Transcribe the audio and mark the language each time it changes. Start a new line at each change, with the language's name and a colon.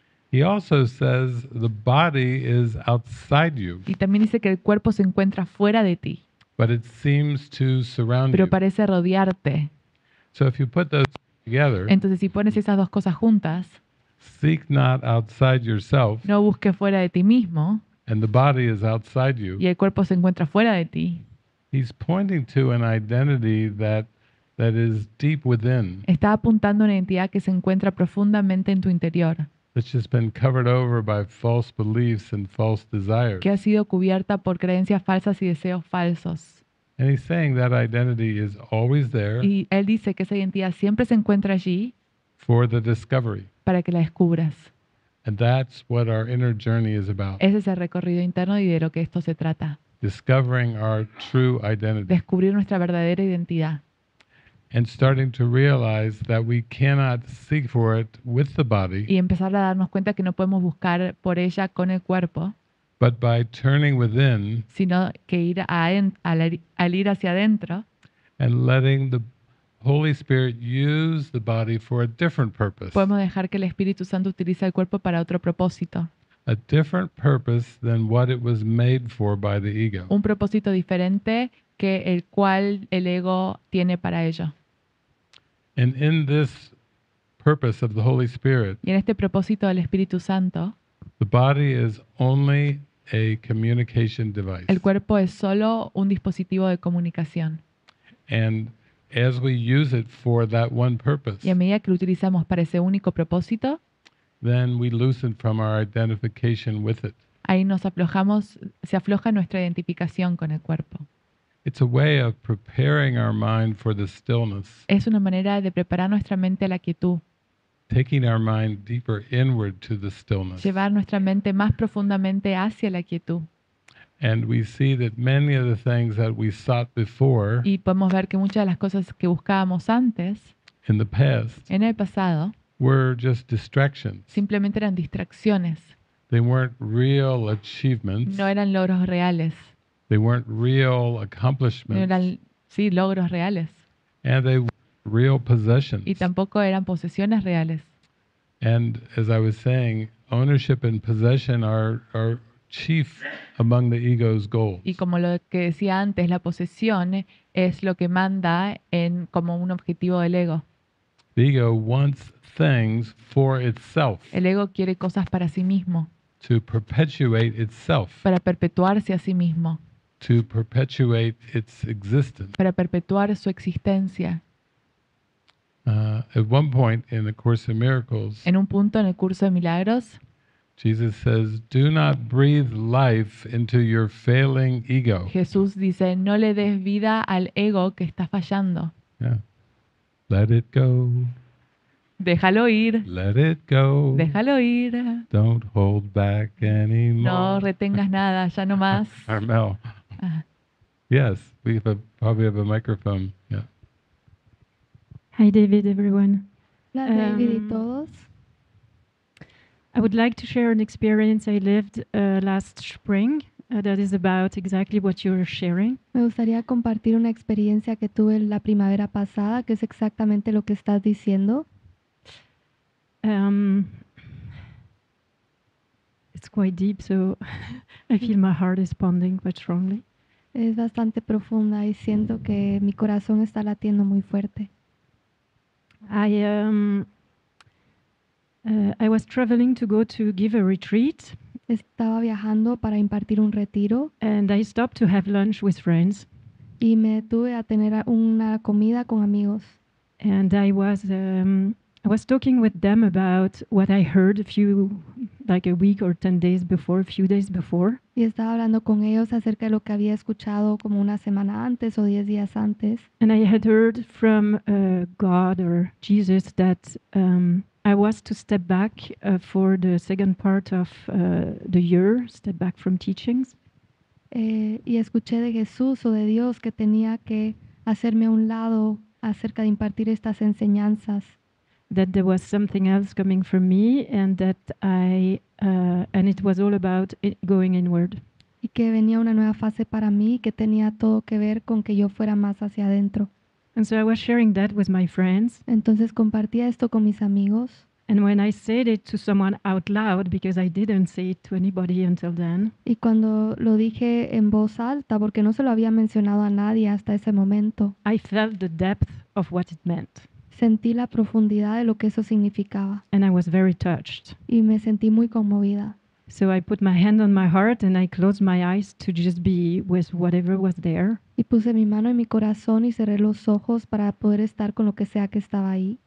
English: He also says the body is outside you.
Spanish: Y también dice que el cuerpo se encuentra fuera de ti.
English: But it seems to surround
Spanish: you. Pero parece rodearte.
English: So if you put those together,
Spanish: entonces si pones esas dos cosas juntas,
English: seek not outside yourself,
Spanish: no busques fuera de ti mismo,
English: and the body is outside you,
Spanish: y el cuerpo se encuentra fuera de ti.
English: He's pointing to an identity that is deep within.
Spanish: Está apuntando a una identidad que se encuentra profundamente en tu interior.
English: That's just been covered over by false beliefs and false desires.
Spanish: Que ha sido cubierta por creencias falsas y deseos falsos.
English: And he's saying that identity is always there.
Spanish: Y él dice que esa identidad siempre se encuentra allí.
English: For the discovery.
Spanish: Para que la descubras.
English: And that's what our inner journey is about.
Spanish: Ese es el recorrido interno y de lo que esto se trata.
English: Discovering our true identity.
Spanish: Descubrir nuestra verdadera identidad.
English: And starting to realize that we cannot seek for it with the body.
Spanish: Y empezar a darnos cuenta que no podemos buscar por ella con el cuerpo.
English: But by turning within.
Spanish: Sino que ir al ir hacia adentro.
English: And letting the Holy Spirit use the body for a different purpose.
Spanish: Podemos dejar que el Espíritu Santo utilice el cuerpo para otro propósito.
English: A different purpose than what it was made for by the ego.
Spanish: Un propósito diferente que el cual el ego tiene para ello.
English: And in this purpose of the Holy Spirit,
Spanish: y en este propósito del Espíritu Santo,
English: the body is only a communication device.
Spanish: El cuerpo es solo un dispositivo de comunicación.
English: And as we use it for that one purpose,
Spanish: y a medida que lo utilizamos para ese único propósito,
English: then we loosen from our identification with it.
Spanish: Ahí nos aflojamos, se afloja nuestra identificación con el cuerpo.
English: It's a way of preparing our mind for the stillness.
Spanish: Es una manera de preparar nuestra mente a la quietud.
English: Taking our mind deeper inward to the stillness.
Spanish: Llevar nuestra mente más profundamente hacia la quietud.
English: And we see that many of the things that we sought before.
Spanish: Y podemos ver que muchas de las cosas que buscábamos antes.
English: In the past.
Spanish: En el pasado.
English: Were just distractions.
Spanish: Simplemente eran distracciones.
English: They weren't real achievements.
Spanish: No eran logros reales.
English: They weren't real accomplishments.
Spanish: No eran, sí, logros reales.
English: And they weren't real possessions.
Spanish: Y tampoco eran posesiones reales.
English: And as I was saying, ownership and possession are chief among the ego's goals.
Spanish: Y como lo que decía antes, la posesión es lo que manda en como un objetivo del ego.
English: The ego wants things for itself.
Spanish: El ego quiere cosas para sí mismo.
English: To perpetuate itself.
Spanish: Para perpetuarse a sí mismo.
English: To perpetuate its existence.
Spanish: Para perpetuar su existencia.
English: At one point in the Course in Miracles,
Spanish: en un punto en el curso de milagros,
English: Jesus says, "Do not breathe life into your failing ego."
Spanish: Jesús dice, "No le des vida al ego que está fallando."
English: Yeah. Let it go.
Spanish: Déjalo ir.
English: Let it go.
Spanish: Déjalo ir.
English: Don't hold back anymore.
Spanish: No retengas nada, ya no más.
English: Armel. Yes, we have probably have a microphone. Yeah. Hi, David, everyone.
Spanish: Hola, David y todos.
English: I would like to share an experience I lived last spring that is about exactly what you're sharing.
Spanish: Me gustaría compartir una experiencia que tuve la primavera pasada, que es exactamente lo que estás diciendo.
English: It's quite deep, so I feel my heart is pounding quite strongly.
Spanish: Es bastante profunda y siento que mi corazón está latiendo muy fuerte.
English: I was traveling to go to give a retreat.
Spanish: Estaba viajando para impartir un retiro.
English: And I stopped to have lunch with friends.
Spanish: Y me detuve a tener una comida con amigos.
English: And I was talking with them about what I heard a week or 10 days before, a few days before.
Spanish: Y estaba hablando con ellos acerca de lo que había escuchado como una semana antes o 10 días antes.
English: And I had heard from God or Jesus that I was to step back for the second part of the year, step back from teachings.
Spanish: Y escuché de Jesús o de Dios que tenía que hacerme a un lado acerca de impartir estas enseñanzas.
English: That there was something else coming from me, and that and it was all about it going inward.
Spanish: Y que venía una nueva fase para mí, que tenía todo que ver con que yo fuera más hacia adentro.
English: And so I was sharing that with my friends.
Spanish: Entonces compartía esto con mis amigos.
English: And when I said it to someone out loud, because I didn't say it to anybody until then.
Spanish: Y cuando lo dije en voz alta, porque no se lo había mencionado a nadie hasta ese momento.
English: I felt the depth of what it meant.
Spanish: Sentí la profundidad de lo que eso significaba.
English: And I was very touched.
Spanish: Y me sentí muy conmovida.
English: So I put my hand on my heart and I closed my eyes to just be with whatever was there.
Spanish: Y puse mi mano en mi corazón y cerré los ojos para poder estar con lo que sea que estaba ahí.